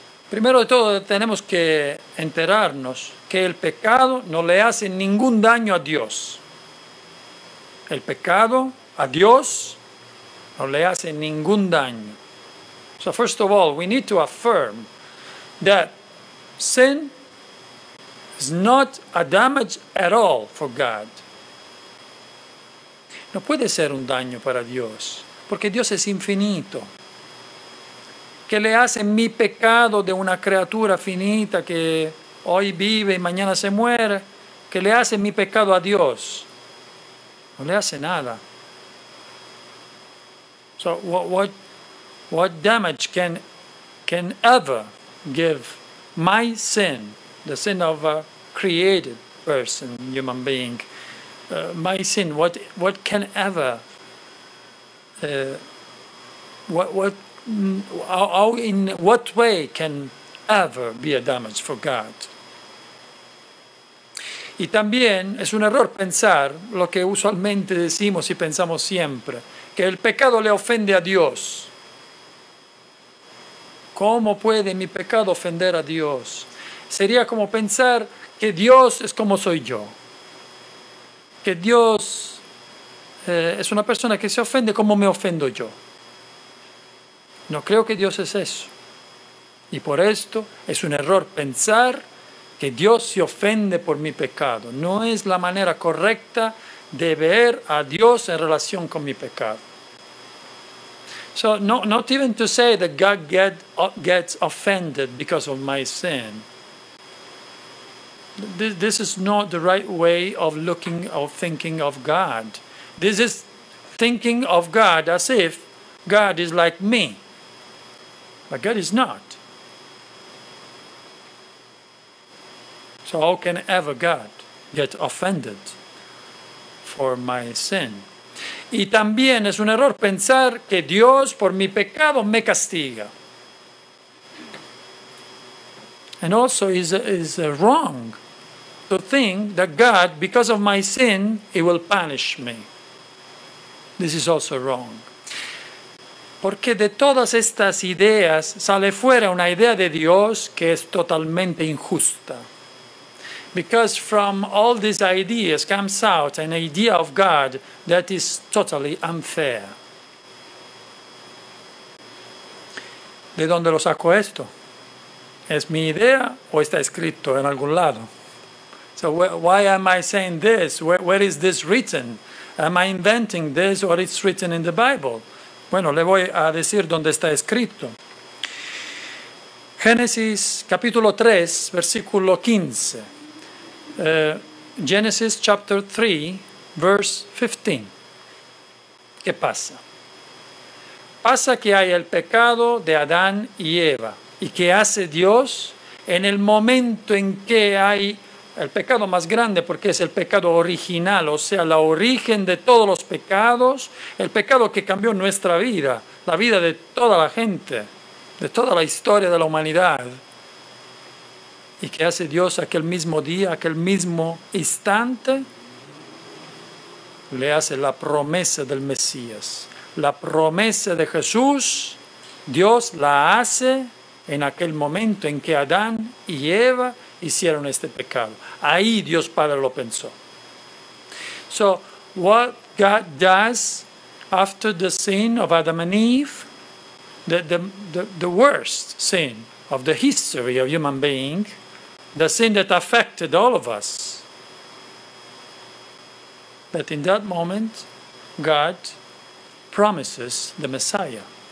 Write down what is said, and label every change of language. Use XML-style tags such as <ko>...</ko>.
<es>Primero de todo, tenemos que enterarnos que el pecado no le hace ningún daño a Dios. El pecado a Dios no le hace ningún daño.</es> <en>So first of all, we need to affirm that sin is not a damage at all for God.</en> <es>No puede ser un daño para Dios, porque Dios es infinito. ¿Qué le hace mi pecado de una criatura finita que hoy vive y mañana se muere? ¿Qué le hace mi pecado a Dios? No le hace nada.</es> <en>So what damage can ever give my sin, the sin of a created person, human being, my sin, what can ever, how in what way can ever be a damage for God?</en> <es>Y también es un error pensar lo que usualmente decimos y pensamos siempre, que el pecado le ofende a Dios. ¿Cómo puede mi pecado ofender a Dios? Sería como pensar que Dios es como soy yo. Que Dios es una persona que se ofende como me ofendo yo. No creo que Dios es eso. Y por esto es un error pensar que Dios se ofende por mi pecado. No es la manera correcta de ver a Dios en relación con mi pecado.</es> <en>So no, not even to say that God gets offended because of my sin. This is not the right way of looking or thinking of God. This is thinking of God as if God is like me. But God is not. So how can ever God get offended for my sin?</en> <es>Y también es un error pensar que Dios por mi pecado me castiga.</es> <en>And also is wrong to think that God, because of my sin, he will punish me. This is also wrong.</en> <es>Porque de todas estas ideas sale fuera una idea de Dios que es totalmente injusta.</es> <en>Because from all these ideas comes out an idea of God that is totally unfair.</en> <es>¿De dónde lo saco esto? ¿Es mi idea o está escrito en algún lado?</es> <en>So why am I saying this? Where is this written? Am I inventing this or it's written in the Bible?</en> <es>Bueno, le voy a decir dónde está escrito. Génesis capítulo 3, versículo 15.</es> <en>Genesis chapter 3, verse 15.</en> <es>¿Qué pasa? Pasa que hay el pecado de Adán y Eva. ¿Y qué hace Dios? En el momento en que hay el pecado más grande, porque es el pecado original, o sea, la origen de todos los pecados, el pecado que cambió nuestra vida, la vida de toda la gente, de toda la historia de la humanidad, y que hace Dios aquel mismo día, aquel mismo instante, le hace la promesa del Mesías. La promesa de Jesús, Dios la hace en aquel momento en que Adán y Eva hicieron este pecado. Ahí Dios Padre lo pensó.</es> <en>So, what God does after the sin of Adam and Eve, the worst sin of the history of human being, the sin that affected all of us, that in that moment, God promises the Messiah.</en>